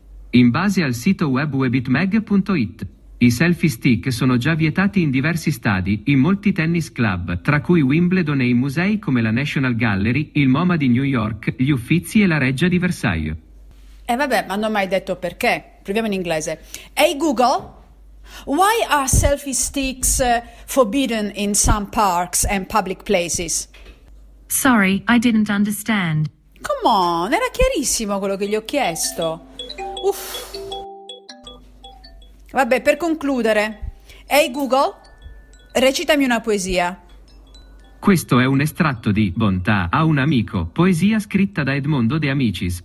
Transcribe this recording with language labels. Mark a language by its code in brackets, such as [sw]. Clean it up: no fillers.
[it] In base al sito web webitmag.it, i selfie stick sono già vietati in diversi stadi, in molti tennis club, tra cui Wimbledon e i musei come la National Gallery, il MoMA di New York, gli Uffizi e la Reggia di Versailles. E vabbè, ma non ho mai detto perché. Proviamo in inglese. [en] Hey Google, why are selfie sticks forbidden in some parks and public places? Sorry, I didn't understand. Come on, [it] era chiarissimo quello che gli ho chiesto. Uff. Vabbè, per concludere. Hey Google, recitami una poesia. Questo è un estratto di Bontà a un amico, poesia scritta da Edmondo De Amicis.